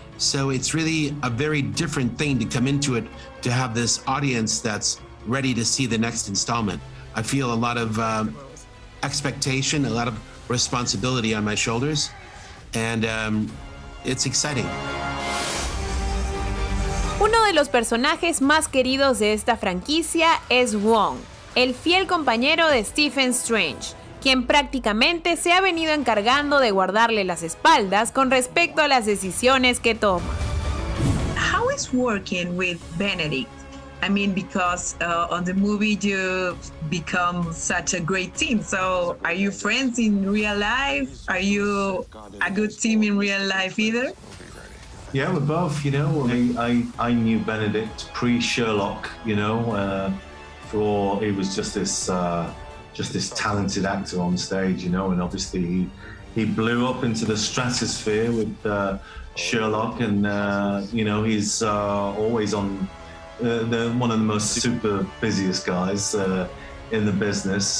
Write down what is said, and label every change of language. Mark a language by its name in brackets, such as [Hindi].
[English] So it's really a very different thing to come into it, to have this audience that's ready to see the next installment. I feel a lot of expectation, a lot of responsibility on my shoulders, and it's exciting. [Spanish] Uno de los personajes más queridos de esta franquicia es Wong, el fiel compañero de Stephen Strange, quien prácticamente se ha venido encargando de guardarle las espaldas con respecto a las decisiones que toma. [English] How is working with Benedict? I mean, because on the movie you become such a great team. So, are you friends in real life? Are you a good team in real life either? Yeah, we're both, you know. I mean, I knew Benedict pre-Sherlock, you know, for he was just this talented actor on stage, you know, and obviously he blew up into the stratosphere with Sherlock, and you know, he's always on one of the most super busiest guys in the business.